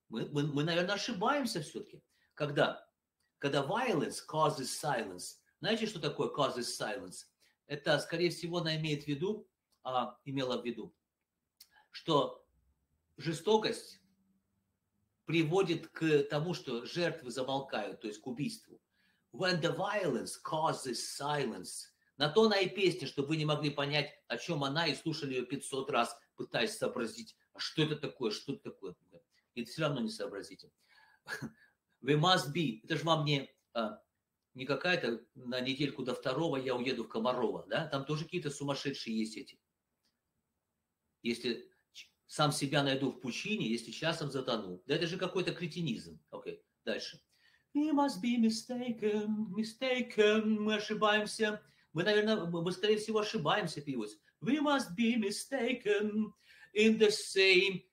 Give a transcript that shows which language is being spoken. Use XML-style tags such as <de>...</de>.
<ru>Мы, наверное, ошибаемся все-таки.</ru> <en>Когда violence causes silence.</en> <ru>Знаете, что такое</ru> <en>causes silence?</en> <ru>Это, скорее всего, она имеет в виду, имела в виду, что жестокость приводит к тому, что жертвы замолкают, то есть к убийству.</ru> <en>When the violence causes silence.</en> <ru>На то она и песня, чтобы вы не могли понять, о чем она, и слушали ее 500 раз, пытаясь сообразить, а что это такое. И все равно не сообразите.</ru> <en>We must be.</en> <ru>Это же вам не какая-то на недельку до второго я уеду в Комарова. Да? Там тоже какие-то сумасшедшие есть эти. Если сам себя найду в пучине, если часом затону. Да это же какой-то кретинизм. Окей, дальше.</ru> <en>We must be mistaken.</en> <ru>Мы ошибаемся. Мы, наверное, мы, скорее всего, ошибаемся, пивоц.</ru> <en>We must be mistaken in the same.</en>